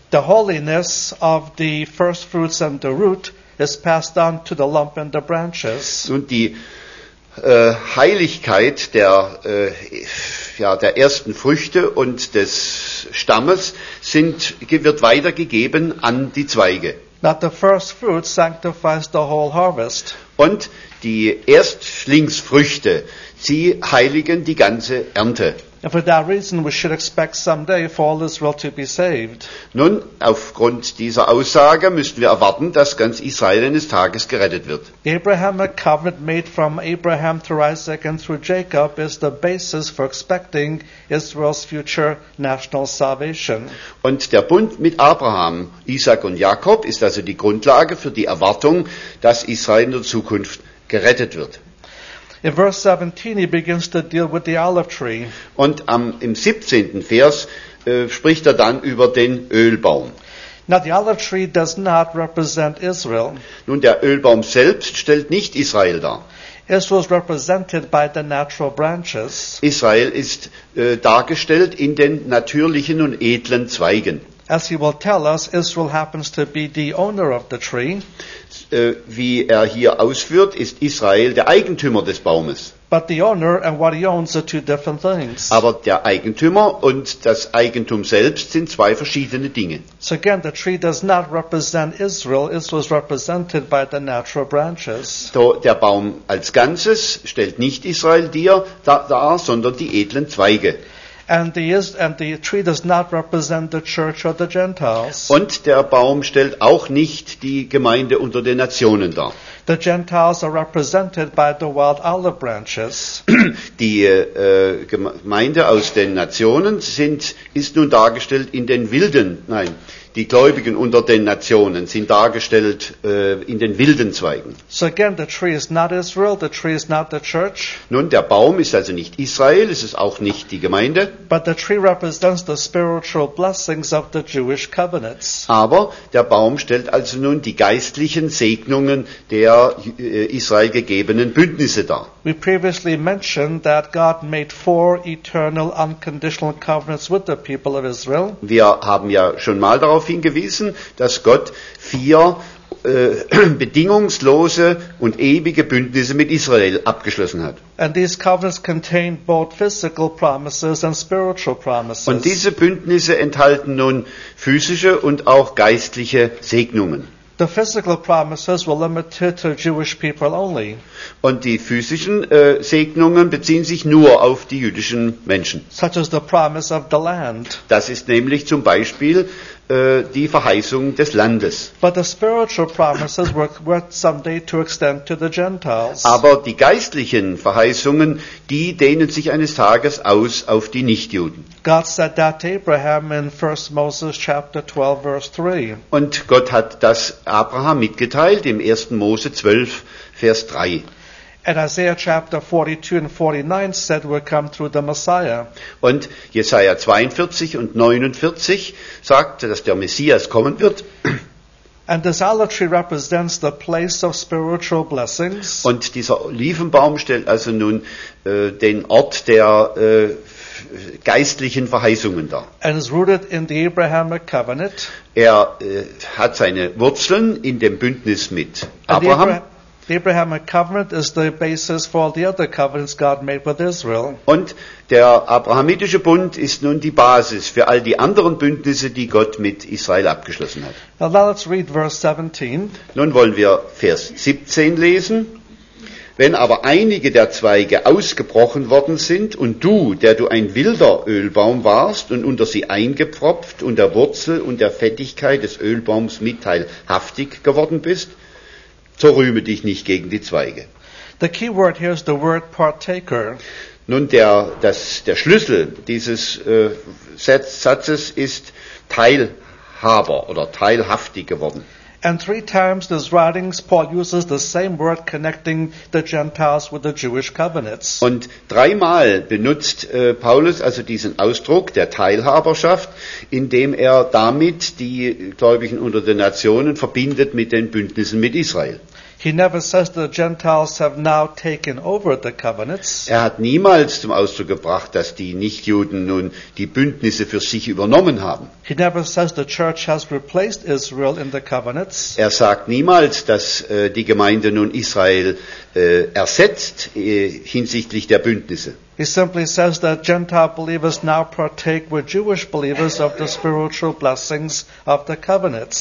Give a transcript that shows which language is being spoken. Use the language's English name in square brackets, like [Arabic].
[English] The holiness of the first fruits and the root is passed on to the lump and the branches. [German] Und die Heiligkeit der ersten Früchte und des Stammes wird weitergegeben an die Zweige. [English] Now the first fruit sanctifies the whole harvest. [German] Und die Erstlingsfrüchte, sie heiligen die ganze Ernte. [English] And for that reason, we should expect someday for all Israel to be saved. [German] Nun, aufgrund dieser Aussage müssen wir erwarten, dass ganz Israel eines Tages gerettet wird. [English] The Abrahamic covenant made from Abraham through Isaac and through Jacob is the basis for expecting Israel's future national salvation. [German] Und der Bund mit Abraham, Isaac und Jakob ist also die Grundlage für die Erwartung, dass Israel in der Zukunft gerettet wird. [English] In verse 17 he begins to deal with the olive tree. [German] Und im 17. Vers spricht dann über den Ölbaum. [English] Now the olive tree does not represent Israel. [German] Nun der Ölbaum selbst stellt nicht Israel dar. [English] Israel is represented by the natural branches. [German] Israel ist dargestellt in den natürlichen und edlen Zweigen. [English] As he will tell us, Israel happens to be the owner of the tree. [German] Wie hier ausführt, ist Israel der Eigentümer des Baumes. [English] But the owner and what he owns are two different things. [German] Aber der Eigentümer und das Eigentum selbst sind zwei verschiedene Dinge. [English] So again, the tree does not represent Israel. Israel is represented by the natural branches. [German] Der Baum als Ganzes stellt nicht Israel dar, sondern die edlen Zweige. [English] And the tree does not represent the church or the Gentiles. [German] Und der Baum stellt auch nicht die Gemeinde unter den Nationen dar. [English] The Gentiles are represented by the wild olive branches. [German] Die Gemeinde aus den Nationen ist nun dargestellt in den wilden. Nein, die Gläubigen unter den Nationen sind dargestellt in den wilden Zweigen. [English] So again, the tree is not Israel. The tree is not the church. [German] Nun, der Baum ist also nicht Israel. Es ist auch nicht die Gemeinde. [English] But the tree represents the spiritual blessings of the Jewish covenants. [German] Aber der Baum stellt also nun die geistlichen Segnungen der Israel gegebenen Bündnisse dar. [English] We previously mentioned that God made four eternal unconditional covenants with the people of Israel. [German] Wir haben ja schon mal darauf hingewiesen, dass Gott vier bedingungslose und ewige Bündnisse mit Israel abgeschlossen hat. [English] And these covenants contain both physical promises and spiritual promises. [German] Und diese Bündnisse enthalten nun physische und auch geistliche Segnungen. [English] The physical promises were limited to Jewish people only. [German] Und die physischen Segnungen beziehen sich nur auf die jüdischen Menschen. [English] Such as the promise of the land. [German] Das ist nämlich zum Beispiel die Verheißung des Landes. [English] But the spiritual promises were someday to extend to the Gentiles. [German] Aber die geistlichen Verheißungen, die dehnen sich eines Tages aus auf die Nichtjuden. [English] God said that to Abraham in 1 Moses chapter 12 verse 3. [German] Und Gott hat das Abraham mitgeteilt im 1. Mose 12 Vers 3. [English] And Isaiah chapter 42 and 49 said we come through the Messiah. [German] Und Jesaja 42 und 49 sagte, dass der Messias kommen wird. [English] And this olive tree represents the place of spiritual blessings. [German] Und dieser Olivenbaum stellt also nun den Ort der geistlichen Verheißungen dar. [English] And is rooted in the Abrahamic covenant. [German] Er hat seine Wurzeln in dem Bündnis mit Abraham. [English] The Abrahamic covenant is the basis for all the other covenants God made with Israel. [German] Und der abrahamitische Bund ist nun die Basis für all die anderen Bündnisse, die Gott mit Israel abgeschlossen hat. [English] Now let's read verse 17. [German] Nun wollen wir Vers 17 lesen. Wenn aber einige der Zweige ausgebrochen worden sind und du, der du ein wilder Ölbaum warst und unter sie eingepfropft und der Wurzel und der Fettigkeit des Ölbaums mitteilhaftig geworden bist, so rühme dich nicht gegen die Zweige. [English] The key word here is the word partaker. [German] Nun, der Schlüssel dieses Satzes ist Teilhaber oder teilhaftig geworden. [English] And three times in his writings, Paul uses the same word connecting the Gentiles with the Jewish covenants. [German] Und dreimal benutzt Paulus also diesen Ausdruck der Teilhaberschaft, indem er damit die Gläubigen unter den Nationen verbindet mit den Bündnissen mit Israel. [English] He never says the Gentiles have now taken over the covenants. [German] Er hat niemals zum Ausdruck gebracht, dass die Nichtjuden nun die Bündnisse für sich übernommen haben. [English] He never says the church has replaced Israel in the covenants. [German] Er sagt niemals, dass die Gemeinde nun Israel ersetzt hinsichtlich der Bündnisse. [English] He simply says that Gentile believers now partake with Jewish believers of the spiritual blessings of the covenants.